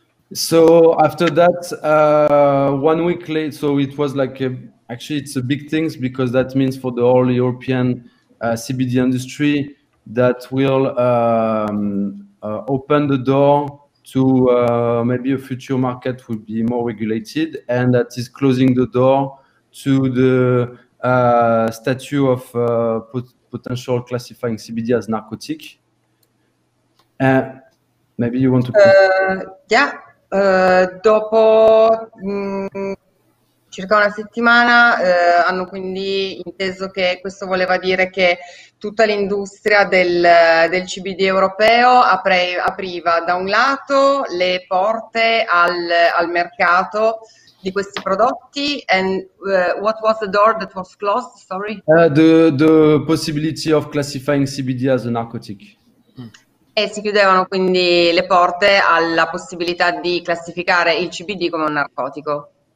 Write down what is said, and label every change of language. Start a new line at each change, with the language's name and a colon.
English: So after that, 1 week later, so it was like, actually it's a big thing because that means for the whole European CBD industry that will open the door to maybe a future market would be more regulated, and that is closing the door to the statue of potential classifying CBD as narcotic. And maybe you want to...
Italian: Dopo circa una settimana hanno quindi inteso che questo voleva dire che tutta l'industria del CBD europeo apriva da un lato le porte al mercato di questi prodotti.
English: And what was the door that was closed? Sorry. The possibility of classifying CBD as a narcotic.
Italian: E si chiudevano quindi le porte alla possibilità di classificare il CBD come un narcotico.